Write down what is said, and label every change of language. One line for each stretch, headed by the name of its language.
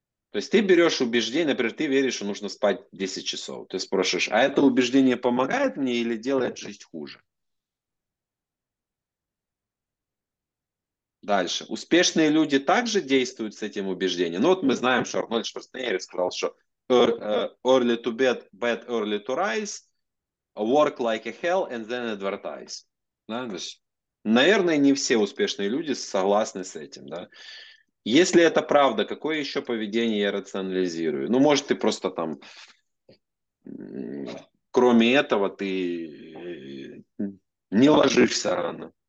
Russian: То есть ты берешь убеждение, например, ты веришь, что нужно спать 10 часов. Ты спрашиваешь, а это убеждение помогает мне или делает жизнь хуже? Дальше. Успешные люди также действуют с этим убеждением. Ну вот мы знаем, что Арнольд Шварценеггер сказал, что
English: early to bed, bed early to rise, work like a hell and then advertise.
Russian: Да? То есть, наверное, не все успешные люди согласны с этим. Да? Если это правда, какое еще поведение я рационализирую? Ну, может, ты просто там, кроме этого, ты не ложишься рано.